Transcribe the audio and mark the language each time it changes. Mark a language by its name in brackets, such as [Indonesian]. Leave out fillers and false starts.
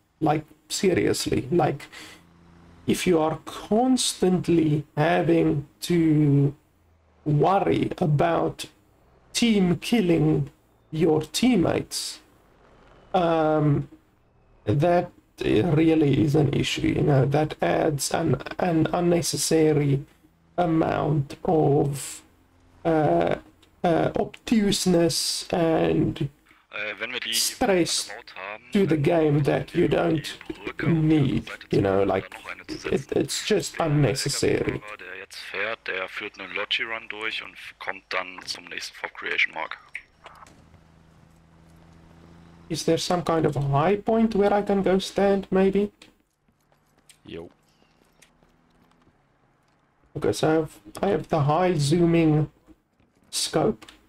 [English] Like, seriously, like, if you are constantly having to worry about team killing your teammates, that really is an issue, you know, that adds an unnecessary amount of obtuseness and stress to the game that you don't need, you know, like, it's just unnecessary. [German] Fährt, der führt einen Logi-Run durch und kommt dann zum nächsten Fog Creation Mark. [English] Is there some kind of a high point where I can go stand, maybe? [German] Jo. [English] Okay, so I have the high zooming scope.